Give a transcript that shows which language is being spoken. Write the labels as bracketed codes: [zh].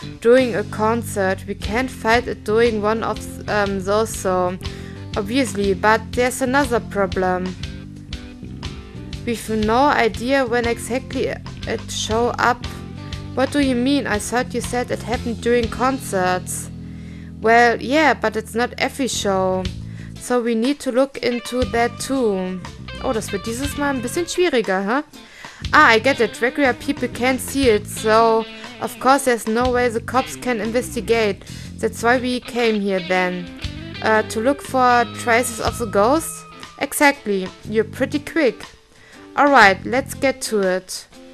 [en] During a concert, we can't fight it during one of those, so obviously, but there's another problem. We've no idea when exactly it showed up. What do you mean? I thought you said it happened during concerts. Well, yeah, but it's not every show. So we need to look into that too. [de] Oh, das wird dieses Mal ein bisschen schwieriger, huh? [en] Ah, I get it. Regular people can't see it, so of course there's no way the cops can investigate. That's why we came here then. To look for traces of the ghost? Exactly. You're pretty quick. Alright, let's get to it.